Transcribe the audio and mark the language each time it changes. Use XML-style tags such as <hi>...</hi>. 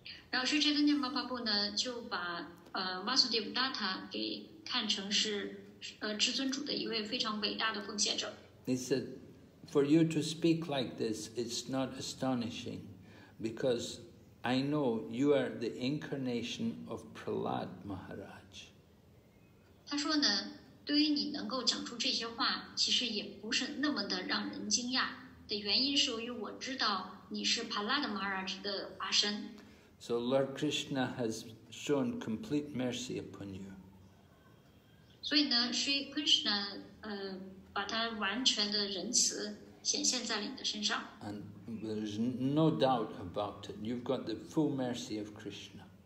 <zh>然后 Sri Chaitanya Mahaprabhu 呢就把Vasudeva Datta 给看成是至尊主的一位非常伟大的奉献者。</zh> <en>He said, "For you to speak like this, it's not astonishing, because I know you are the incarnation of Prahlad Maharaj."</en> <zh>他说呢，对于你能够讲出这些话，其实也不是那么的让人惊讶。的原因是由于我知道你是 Prahlad Maharaj 的化身。</zh> <en>So Lord Krishna has shown complete mercy upon you.</en> <zh>所以呢 ，Sri Krishna 把他完全的仁慈显现在你的身上。</zh> <en>And there's no doubt about it. You've got the full mercy of Krishna.</en>